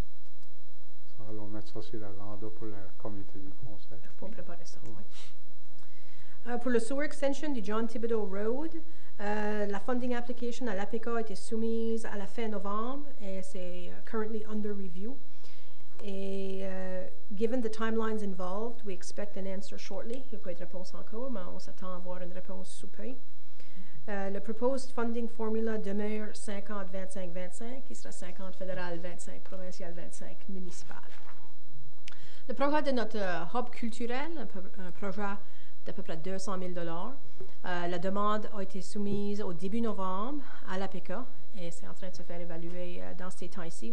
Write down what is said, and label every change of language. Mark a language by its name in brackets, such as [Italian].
[French] Mm-hmm. Allons mettre ça sur l'agenda pour le comité du conseil. Il faut préparer ça. Ouais. Pour le [English] sewer extension [French] du John Thibodeau Road, la [English] funding application [French] à l'APK a été soumise à la fin novembre et c'est [English] currently under review. Et given the timelines involved, we expect an answer shortly. [French] Il n'y a pas de réponse encore, mais on s'attend à avoir une réponse sous peu. Le [English] proposed funding formula [French] demeure 50-25-25, qui sera 50 fédéral, 25 provincial, 25 municipal. Le projet de notre hub culturel, un projet d'à peu près 200 000 $ la demande a été soumise au début novembre à l'APK et c'est en train de se faire évaluer dans ces temps-ci.